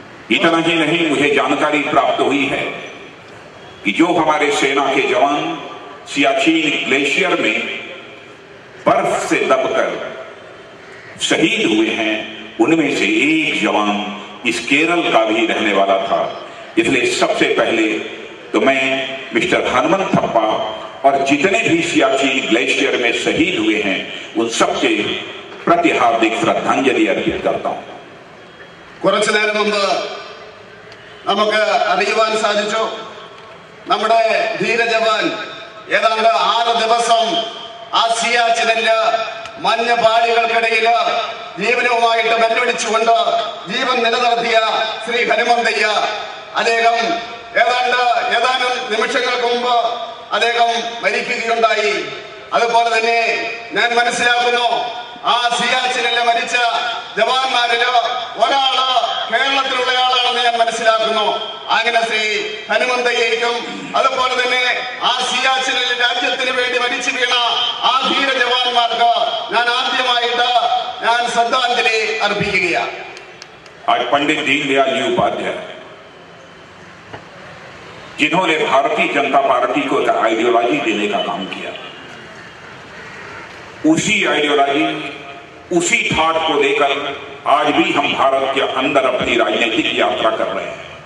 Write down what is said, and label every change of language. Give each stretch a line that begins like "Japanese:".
Hindi: इतना ही नहीं, मुझे जानकारी प्राप्त हुई है कि जो हमारे सेना के जवान सियाचिन ग्लेशियर में बर्फ से दबकर शहीद हुए हैं, उनमें से एक जवान इस केरल का भी रहने वाला था। इसलिए सबसे पहले तो मैं मिस्टर हनुमंतप्पा और जितने भी सियाचिन ग्लेशियर में शहीद हुए हैं उन सबके प्रति हार्दिक श्रद्धांजलि अर्पित करता हूं।
Malayalam: കുറച്ച് നേരം മുമ്പ് നമുക്ക് അറിയാൻ സാധിച്ചു നമ്മുടെ ധീരജവാൻ ഏതാണ്ട് 6 ദിവസം ആ സിയാച്ചിനില മഞ്ഞ പാളികൾക്കിടയിൽ ജീവനുമായിട്ട് വെല്ലുവിളിച്ചുകൊണ്ട് ജീവൻ നിലനിർത്തിയ ശ്രീ ഹനുമന്തയ്യ അദ്ദേഹം ഏതാനും നിമിഷങ്ങൾക്ക് മുമ്പ് അദ്ദേഹം മരിക്കുകയുണ്ടായി. അതുപോലെ തന്നെ ഞാൻ മനസ്സിലാക്കുന്നു ആ സിയാച്ചിനില മരിച്ച ജവാന്മാരിൽ ഒരാൾ കേരളത്തിലുള്ള ആളാണെന്ന് ഞാൻ മനസ്സിലാക്കുന്നു. അങ്ങനെ ശ്രീ ഹനുമന്തയ്യയ്ക്കും അതുപോലെ തന്നെ ആ സിയാച്ചിനിൽ രാജ്യത്തിന് വേണ്ടി മരിച്ചു വീണ ആ ധീര ജവാന്മാർക്ക് ഞാൻ ആദ്യമായിട്ട് ഞാൻ ശ്രദ്ധാഞ്ജലി അർപ്പിക്കുകയാണ്.
Hindi: പണ്ഡിറ്റ് ദീൻദയാൽ ജി ഉപാധ്യായ, ജിന്നോനെ ഭാരതീയ ജനതാ പാർട്ടിക്ക് ഒരു ഐഡിയോളജി ദേനെ കാ കാം കിയ, ഉസി ഐഡിയോളജി उसी थाट को लेकर आज भी हम भारत के अंदर अपनी राजनीतिक यात्रा कर रहे हैं।